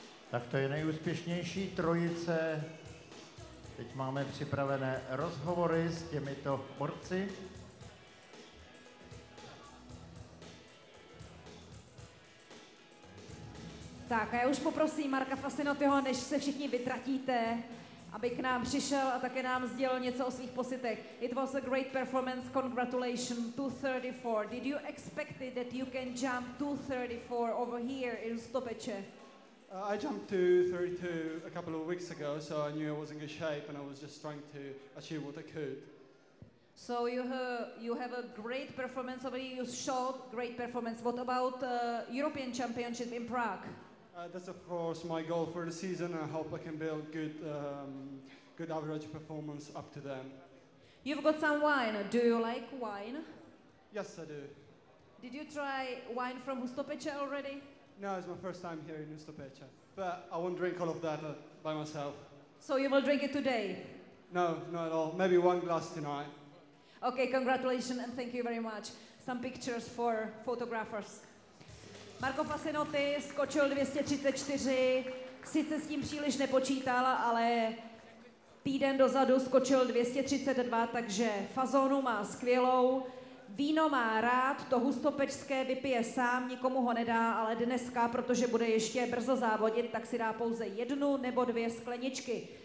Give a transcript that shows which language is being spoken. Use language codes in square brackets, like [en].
[cs] Tak to je nejúspěšnější trojice. Teď máme připravené rozhovory s těmito borci. Tak a já už poprosím Marka Fascinottiho, než se všichni vytratíte, aby k nám přišel a také nám sdělil něco o svých pocitech. [en] It was a great performance, congratulations, 234. Did you expect it that you can jump 234 over here in Stopeče? I jumped 232 a couple of weeks ago, so I knew I was in good shape and I was just trying to achieve what I could. So you have a great performance over here, you showed great performance. What about European Championship in Prague? That's of course my goal for the season. I hope I can build good average performance up to them. You've got some wine. Do you like wine? Yes, I do. Did you try wine from Hustopeče already? No, it's my first time here in Hustopeče. But I won't drink all of that by myself. So you will drink it today? No, not at all. Maybe one glass tonight. Okay, congratulations and thank you very much. Some pictures for photographers. [cs] Marco Fascinotti skočil 234, sice s tím příliš nepočítal, ale týden dozadu skočil 232, takže fazonu má skvělou. Víno má rád, to hustopečské vypije sám, nikomu ho nedá, ale dneska, protože bude ještě brzo závodit, tak si dá pouze jednu nebo dvě skleničky.